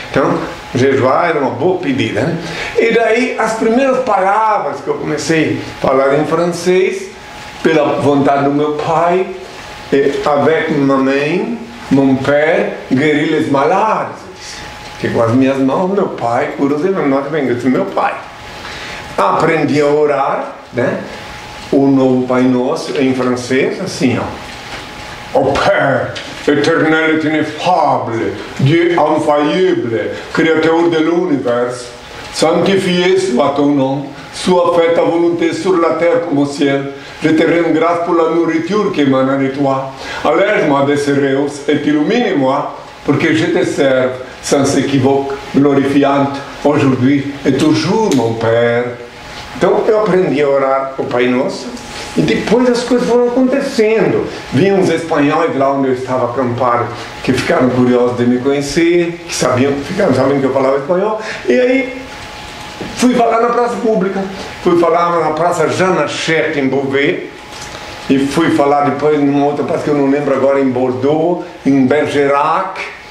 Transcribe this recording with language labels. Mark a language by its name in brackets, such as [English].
[Portuguese] Então, jejuar era uma boa pedida, né? E daí, as primeiras palavras que eu comecei a falar em francês, pela vontade do meu pai, [French] avec ma main, mon père, guéris les malades, [Portuguese] que com as minhas mãos, meu pai, cura os enfermos, meu pai. Aprendi a orar, né? O novo Pai Nosso em francês, assim, ó. [French] Au Père, éternel et ineffable, Dieu infaillible, Créateur de l'univers, sanctifié soit ton nom, sua faite volonté sur la terre comme au ciel, je te rends grâce pour la nourriture qui émane de toi, allège-moi des céréos et illumine-moi, pour que je te serve sans équivoque, glorifiante, aujourd'hui et toujours, mon Père. [Portuguese] Então, eu aprendi a orar o Pai Nosso e depois as coisas foram acontecendo. Vi uns espanhóis lá onde eu estava acampado que ficaram curiosos de me conhecer, que sabiam, ficaram sabendo que eu falava espanhol. E aí, fui falar na praça pública, fui falar na praça Janachet, em Beauvais, e fui falar depois numa outra praça que eu não lembro agora, em Bordeaux, em Bergerac.